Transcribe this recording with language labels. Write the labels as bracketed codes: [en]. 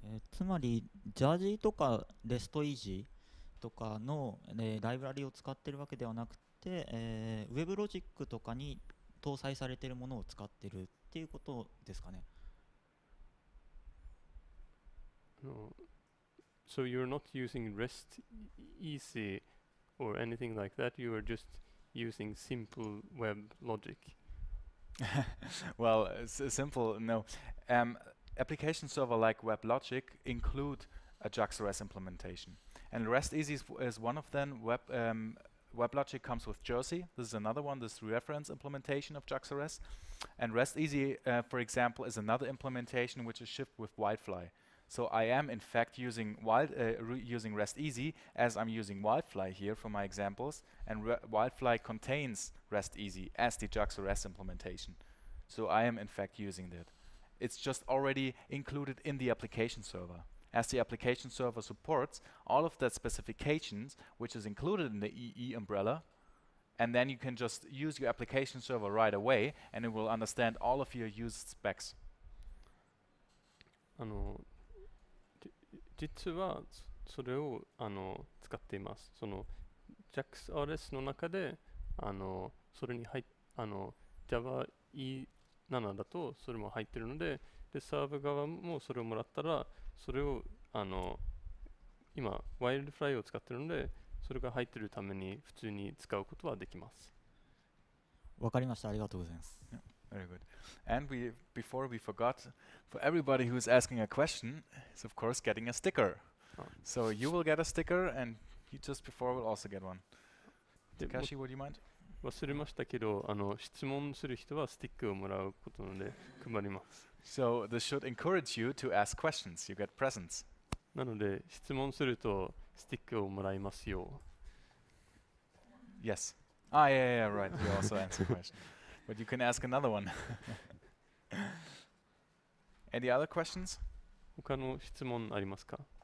[ja] つまりジャージーとかレストイージーとかの、ライブラリを使っているわけではなくて、ウェブロジックとかに搭載されているものを使っているっていうことですかね。 [en] No. So you're not using REST EC or anything like that, you are just using simple web logic? Well, simple, no. Application server like web logic include a JAX-RS implementation. And REST EC is one of them. Web logic comes with Jersey. This is another one, this reference implementation of JAX-RS. And REST EC, for example, is another implementation which is shipped with Whitefly. So I am in fact using using REST EC as I'm using Whitefly here for my examples, and Whitefly contains REST EC as the JAX-RS implementation. So I am in fact using that. It's just already included in the application server. As the application server supports all of that specifications, which is included in the EE umbrella, and then you can just use your application server right away, and it will understand all of your used specs. I know. [ja] 実はそれをあの使っています。その JAX-RS の中であのそれに入あの Java E7 だとそれも入ってるので、でサーブ側もそれをもらったら、それをあの今ワイルドフライを使ってるので、それが入ってるために普通に使うことはできます。わかりました、ありがとうございます。 [en] Very good. And we, before we forgot, for everybody who's asking a question, is of course getting a sticker. So you will get a sticker, and you just before will also get one. Takashi, would you mind? [ja] 忘れましたけど、あの質問する人はスティックをもらうことなので配ります。 [en] So this should encourage you to ask questions. You get presents. [ja] なので質問するとスティックをもらいますよ。 [en] Yes. Ah, yeah, yeah, right. You also answer questions. But you can ask another one. Any other questions? [ja] 他の質問ありますか?